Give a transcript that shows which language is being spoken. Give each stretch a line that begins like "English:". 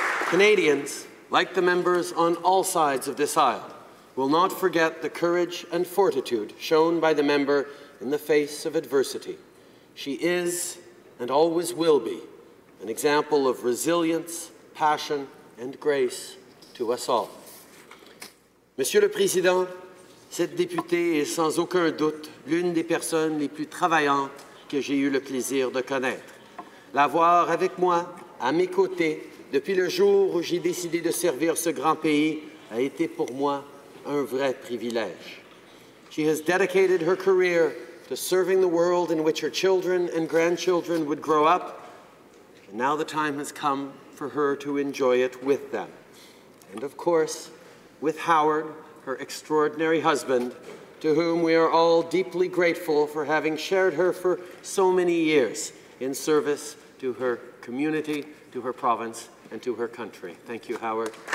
English: Canadians, like the members on all sides of this aisle, will not forget the courage and fortitude shown by the member in the face of adversity. She is, and always will be, an example of resilience, passion, and grace to us all.
French: Monsieur le Président, cette députée est sans aucun doute l'une des personnes les plus travaillantes que j'ai eu le plaisir de connaître. L'avoir avec moi, à mes côtés, depuis le jour où j'ai décidé de servir ce grand pays, a été pour moi un vrai privilège.
English: She has dedicated her career to serving the world in which her children and grandchildren would grow up, and now the time has come for her to enjoy it with them. And of course, with Howard, her extraordinary husband, to whom we are all deeply grateful for having shared her for so many years in service to her community, to her province, and to her country. Thank you, Howard.